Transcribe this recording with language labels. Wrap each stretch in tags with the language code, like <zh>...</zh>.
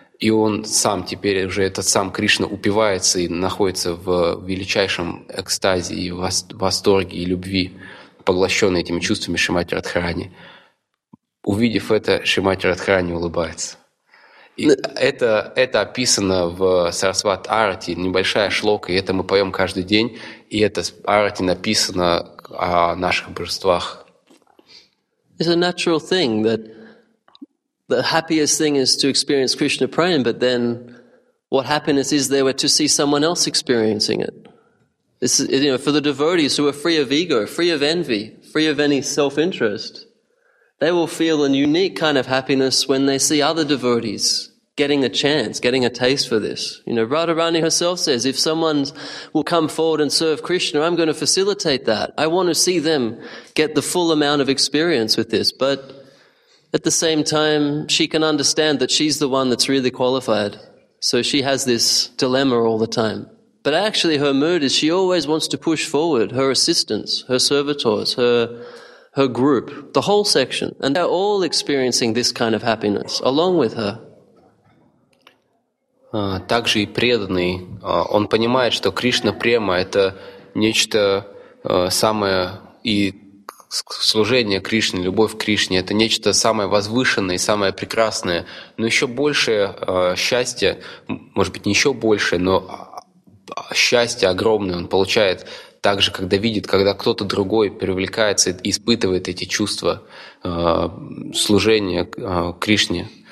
<ru>И он сам, теперь уже этот сам Кришна упивается и находится в величайшем экстазе и восторге и любви, поглощенный этими чувствами Шримати Радхарани. Увидев это, Шримати Радхарани улыбается. И это описано в Сарасват Арати, небольшая шлока, и это мы поем каждый день. И это Арати написано о наших божествах.</ru> <en>It's a natural thing that the happiest thing is to experience Krishna praying, but then what happiness is there to see someone else experiencing it? This is, you know, for the devotees who are free of ego, free of envy, free of any self-interest, they will feel a unique kind of happiness when they see other devotees getting a chance, getting a taste for this. You know, Radharani herself says, if someone will come forward and serve Krishna, I'm going to facilitate that. I want to see them get the full amount of experience with this, but at the same time, she can understand that she's the one that's really qualified. So she has this dilemma all the time. But actually her mood is she always wants to push forward her assistants, her servitors, her group, the whole section. And they're all experiencing this kind of happiness along with her.</en> <ru>Также и преданный, он понимает, что Кришна према – это нечто самое, и служение Кришне, любовь к Кришне – это нечто самое возвышенное и самое прекрасное. Но еще большее счастье, может быть, не еще большее, но счастье огромное он получает также, когда видит, когда кто-то другой привлекается и испытывает эти чувства служения Кришне.</ru>